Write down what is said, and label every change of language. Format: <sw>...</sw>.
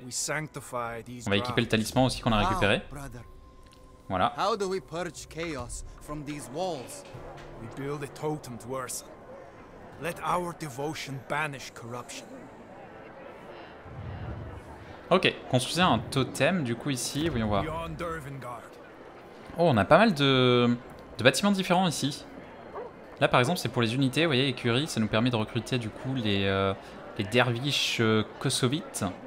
<fr>On va équiper le talisman aussi qu'on a récupéré. Voilà.</fr> <en>How do we purge chaos from these walls? We build a totem to Ursa. Let our devotion banish corruption.</en> <fr>Ok, construisez un totem du coup ici, voyons voir. Oh, on a pas mal de bâtiments différents ici. Là par exemple, c'est pour les unités, vous voyez, écurie, ça nous permet de recruter du coup les derviches kosovites.</fr>